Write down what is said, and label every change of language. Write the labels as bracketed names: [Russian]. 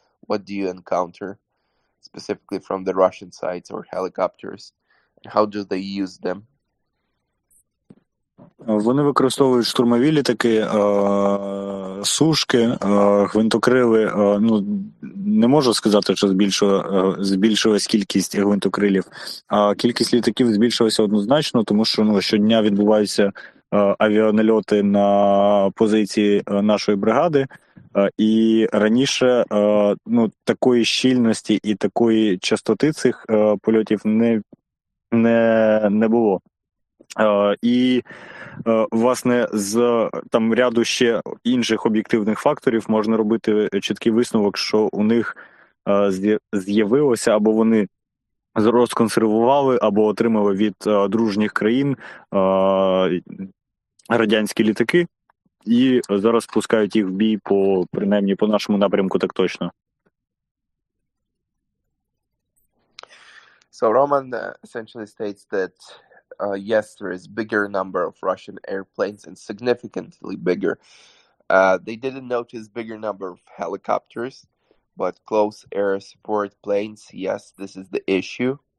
[English] What do you encounter specifically from the Russian sides, or helicopters? How do they use them? [Ukrainian] Вони використовують штурмові літаки, сушки, гвинтокрили. Ну, не можу сказати, що збільшилась кількість гвинтокрилів. А кількість літаків збільшилася однозначно, тому що, ну, щодня відбуваються авіанальоти на позиції нашої бригади, і раніше, ну, такої щільності і такої частоти цих польотів не було. І, власне, з там ряду ще інших об'єктивних факторів можна робити чіткий висновок, що у них з'явилося, або вони розконсервували, або отримали від дружніх країн радянські літаки, і зараз пускають їх в бій по, принаймні, по нашому напрямку, так точно. [English] So Roman essentially states that, yes, there is bigger number of Russian airplanes and significantly bigger. They didn't notice bigger number of helicopters, but close air support planes, yes, this is the issue.